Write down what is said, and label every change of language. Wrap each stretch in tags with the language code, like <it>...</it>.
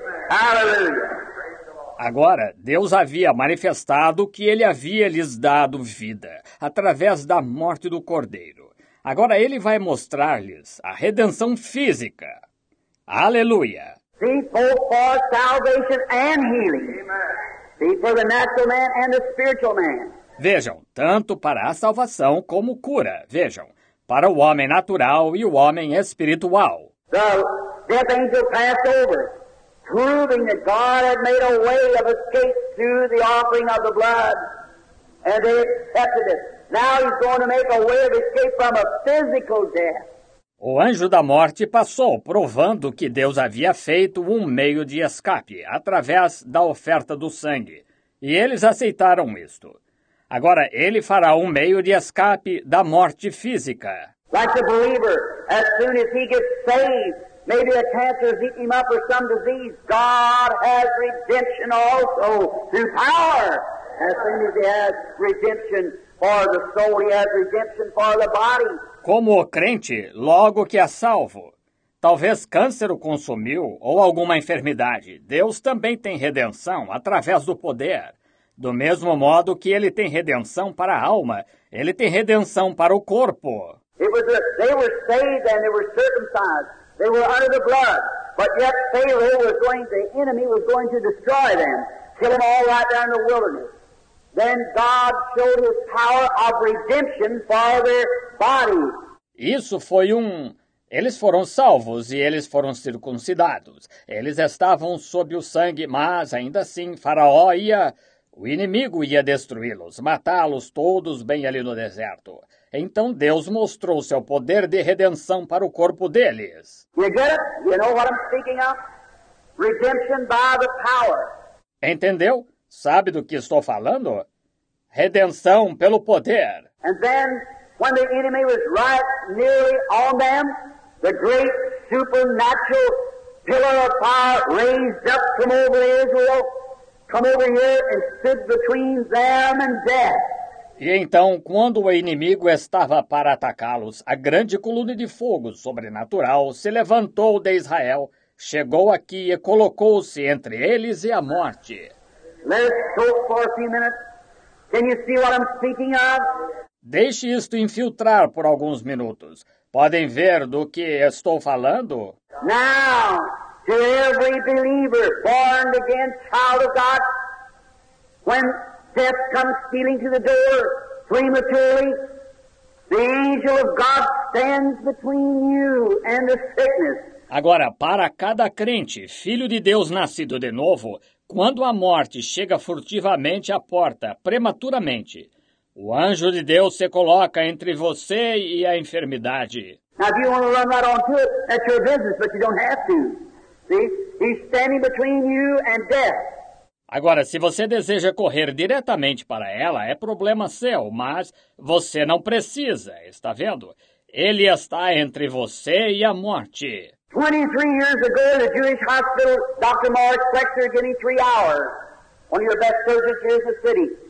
<en>Hallelujah.</en> <pt>Agora, Deus havia manifestado que ele havia lhes dado vida através da morte do Cordeiro. Agora ele vai mostrar-lhes a redenção física. Aleluia!</pt> <en>See, both for salvation and healing. See, for the natural man and the spiritual man.</en> <pt>Vejam, tanto para a salvação como cura. Vejam, para o homem natural e o homem espiritual.</pt> <en>The death angel passed over, proving that God had made a way of escape through the offering of the blood. And they accepted it. Now he's going to make a way of escape from a physical death.</en> <pt>O anjo da morte passou, provando que Deus havia feito um meio de escape através da oferta do sangue. E eles aceitaram isto. Agora ele fará um meio de escape da morte física.</pt> <en>Like the believer, as soon as he gets saved, maybe a cancer has eaten him up or some disease, God has redemption also through power. As soon as he has redemption for the soul, he has redemption for the body.</en> <pt>Como o crente, logo que é salvo, talvez câncer o consumiu ou alguma enfermidade, Deus também tem redenção através do poder. Do mesmo modo que ele tem redenção para a alma, ele tem redenção para o corpo.</pt> <en>They were saved and they were circumcised. They were under the blood. But yet Pharaoh was going, the enemy was going to destroy them, kill them all right there in the wilderness. Then God showed his power of redemption for their bodies.</en> <pt>Isso foi eles foram salvos e eles foram circuncidados. Eles estavam sob o sangue, mas ainda assim Faraó ia, o inimigo ia destruí-los, matá-los todos bem ali no deserto. Então Deus mostrou seu poder de redenção para o corpo deles.</pt> <en>You get it? You know what I'm speaking of? Redemption by the power.</en> <pt>Entendeu? Sabe do que estou falando? Redenção pelo poder.</pt> <en>And then, when the enemy was right nearly on them, the great supernatural pillar of fire raised up from over Israel, come over here and stood between them and death.</en> <pt>E então, quando o inimigo estava para atacá-los, a grande coluna de fogo sobrenatural se levantou de Israel, chegou aqui e colocou-se entre eles e a morte.</pt> <en>Let's talk for a few minutes. Can you see what I'm speaking of?</en> <pt>Deixe isto infiltrar por alguns minutos. Podem ver do que estou falando?</pt> <en>Now, to every believer born again, child of God, when death comes stealing to the door prematurely, the angel of God stands between you and the sickness.</en> <pt>Agora, para cada crente, filho de Deus nascido de novo, quando a morte chega furtivamente à porta, prematuramente, o anjo de Deus se coloca entre você e a enfermidade.</pt> <en>Now, if you want to run right on to it, that's your business, but you don't have to. See? He's standing between you and death.</en> <pt>Agora, se você deseja correr diretamente para ela, é problema seu, mas você não precisa, está vendo? Ele está entre você e a morte.</pt> <en>23 years ago, in a Jewish hospital, Dr. Morris Flexer gave me 3 hours. One of your best surgeons here in the city.</en>